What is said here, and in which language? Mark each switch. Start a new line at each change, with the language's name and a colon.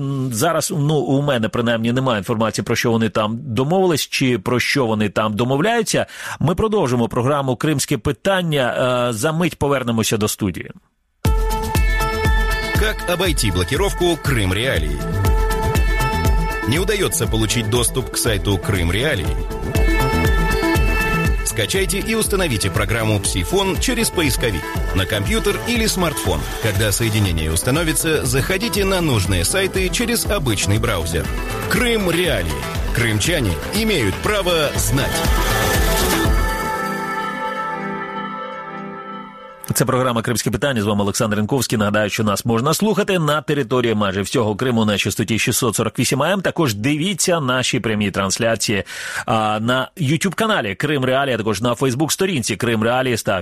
Ukrainian: Зараз, ну, у мене, принаймні, немає інформації, про що вони там домовились, чи про що вони там домовляються. Ми продовжимо програму «Кримське питання». За мить повернемося до студії. Як обійти блокировку «Крим Реалії»? Не удається отримати доступ до сайту «Крим Реалії»?
Russian: Скачайте и установите программу «Псифон» через поисковик на компьютер или смартфон. Когда соединение установится, заходите на нужные сайты через обычный браузер. «Крым Реали». Крымчане имеют право знать.
Ukrainian: Це програма «Кримське питання». З вами Олександр Ренковський. Нагадаю, що нас можна слухати на території майже всього Криму на частоті 648 АМ. Також дивіться наші прямі трансляції на YouTube-каналі «Крим Реалі», а також на Facebook-сторінці «Крим Реалі».